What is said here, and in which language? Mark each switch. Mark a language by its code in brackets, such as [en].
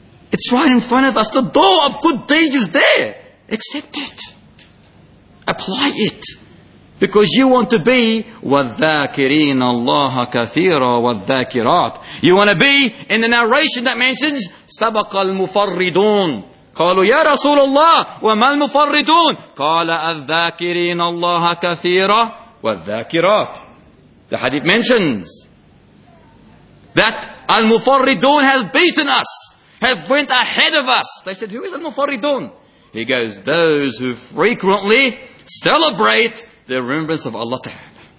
[en] It's right in front of us. The door of good deeds is there. Accept it. Apply it. Because you want to be [ar] وَالذَّاكِرِينَ اللَّهَ كَثِيرًا وَالذَّاكِرَاتِ. [en] You want to be in the narration that mentions [ar] سَبَقَ الْمُفَرِّدُونَ. قالوا يا رسول الله وما المفردون قال الذاكرين الله كثيرا والذاكرات. [en] The hadith mentions that al-mufarridun has beaten us, have went ahead of us. They said, who is al-mufarridun? He goes, those who frequently celebrate the remembrance of Allah Ta'ala.